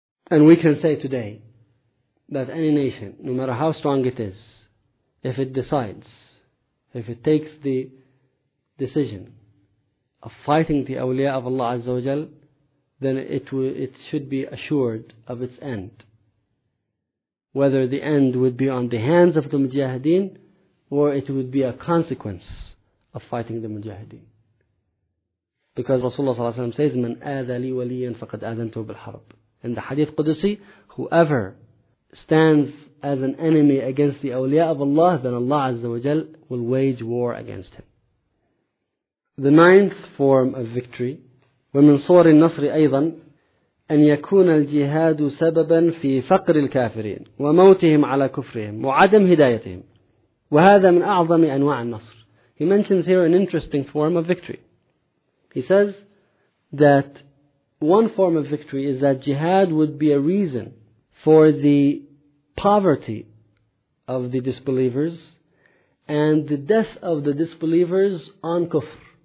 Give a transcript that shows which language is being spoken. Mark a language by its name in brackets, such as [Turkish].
[English] And we can say today that any nation, no matter how strong it is, if it decides, if it takes the decision of fighting the awliya of Allah Azza wa Jal, then it should be assured of its end. Whether the end would be on the hands of the mujahideen, or it would be a consequence of fighting the mujahideen. Because [Arabic] Rasulullah صلى الله عليه وسلم [English] says, [Arabic] من آذى لي وليا فقد آذنته بالحرب. [English] In the Hadith Qudusi, whoever stands as an enemy against the awliya of Allah, then Allah Azza wa Jal will wage war against him. The ninth form of victory, [Arabic] ومن صور النصر أيضا أن يكون الجهاد سببا في فقر الكافرين وموتهم على كفرهم وعدم هدايتهم وهذا من أعظم أنواع النصر. [English] He mentions here an interesting form of victory. He says that one form of victory is that jihad would be a reason for the poverty of the disbelievers and the death of the disbelievers on kufr.